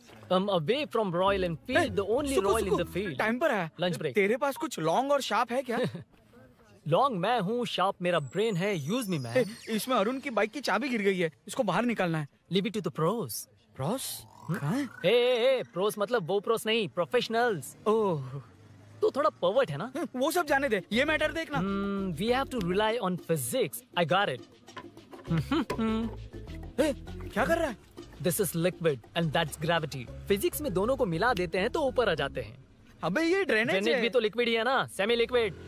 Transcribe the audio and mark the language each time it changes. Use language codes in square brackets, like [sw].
[en] I'm away from Royal Enfield, the only Royal in the field. [hi] Time पर है। Lunch break. तेरे पास कुछ long और शार्प है क्या? लॉन्ग मैं हूँ, शार्प मेरा ब्रेन है, [en] Use me man. [hi] इसमें अरुण की बाइक की चाबी गिर गई है, इसको बाहर निकालना है। [en] Leave it to the pros. Pros? [hi] Hey hey, pros मतलब वो प्रोस नहीं, प्रोफेशनल्स। ओह, तू थोड़ा पर्वर्ट है ना? वो सब जाने दे, ये मैटर देखना। [en] We have to rely on physics. I got it. [hi] क्या कर रहा है? [en] This is liquid and that's gravity. [hi] Physics में दोनों को मिला देते हैं तो ऊपर आ जाते हैं। अबे ये drainage है। भी तो liquid ही है ना, semi liquid.